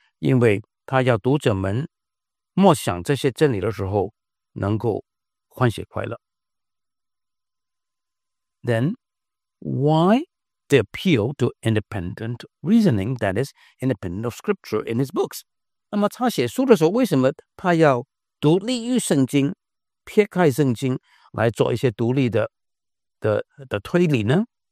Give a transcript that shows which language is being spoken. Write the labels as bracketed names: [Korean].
[Chinese] 因为他要读者们默想这些真理的时候能够欢喜快乐。 [English] Then, why the appeal to independent reasoning, that is, independent of scripture in his books? [Chinese] 那么他写书的时候，为什么他要独立于圣经，撇开圣经来做一些独立的推理呢？